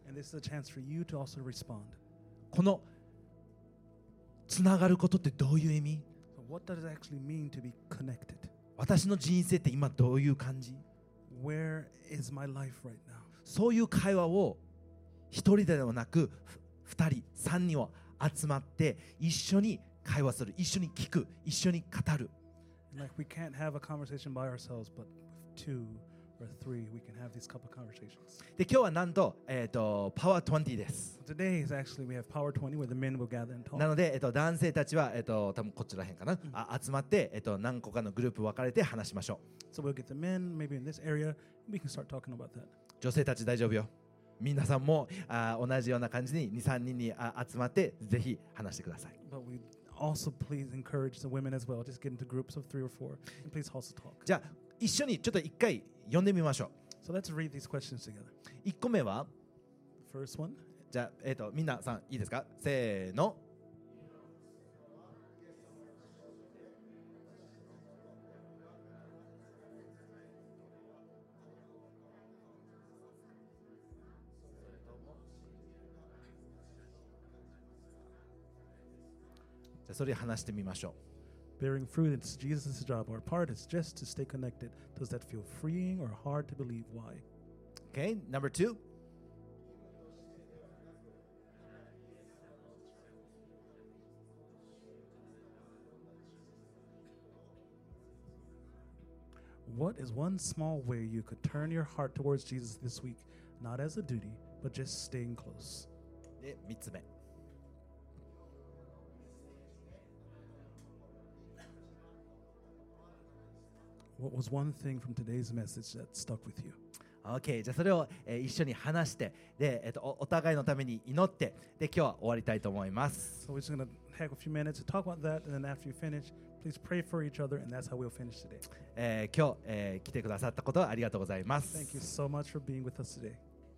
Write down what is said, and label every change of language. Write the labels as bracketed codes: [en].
[en] And this is a chance for you to also respond. [ja] このつながることってどういう意味？ [en] So what does it actually mean to be connected? [ja] 私の人生って今どういう感じ？ [en] Where is my life right now? [ja] そういう会話を一人ではなく二人、三人を集まって一緒に会話する、一緒に聞く、一緒に語る。 [en] Like we can't have a conversation by ourselves, but with two or three, we can have these couple conversations. [ja] で今日はなんと、Power 20です。 [en] Today is actually we have Power 20 where the men will gather and talk. [ja] なので、男性たちは、多分こちら辺かな、集まって、何個かのグループ分かれて話しましょう。 [en] So we'll get the men maybe in this area. We can start talking about that. [ja] 女性たち大丈夫よ。みんなさんも同じような感じに 2,3 人に集まってぜひ話してください。 [en] But we also please encourage the women as well. Just get into groups of three or four and please also talk. [ja] じゃあ一緒にちょっと一回読んでみましょう。 [en] So let's read these questions together. [ja] 1個目は [en] First one. [ja] じゃあ、みんなさんいいですか？せーの。それ話してみましょう。 [en] Bearing fruit is Jesus' job. Our part is just to stay connected. Does that feel freeing or hard to believe? Why? Okay, number two. What is one small way you could turn your heart towards Jesus this week? Not as a duty, but just staying close. [ja] で、三つ目。 [en] What was one thing from today's message that stuck with you? [ja] Okay, じゃあそれを、一緒に話して、で、お互いのために祈って、で、今日は終わりたいと思います。 [en] So we're just going to take a few minutes to talk about that, and then after you finish, please pray for each other, and that's how we'll finish today. [ja] 今日、来てくださったことはありがとうございます。 [en] Thank you so much for being with us today.